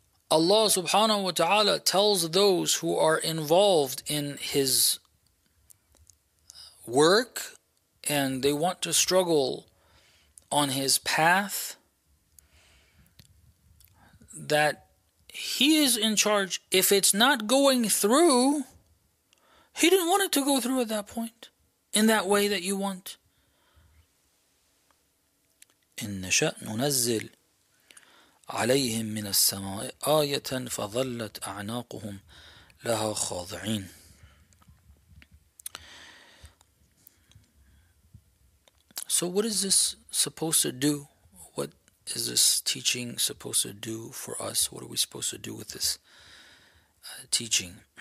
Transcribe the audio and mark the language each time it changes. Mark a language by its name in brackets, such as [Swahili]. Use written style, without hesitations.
[English] Allah subhanahu wa ta'ala tells those who are involved in His work and they want to struggle on His path, that he is in charge. If it's not going through, he didn't want it to go through at that point, in that way that you want. [Arabic] إن نشأ ننزل عليهم من السماء آية فظلت أعناقهم لها خاضعين. [English] So what is this supposed to do? What is this teaching supposed to do for us? What are we supposed to do with this teaching?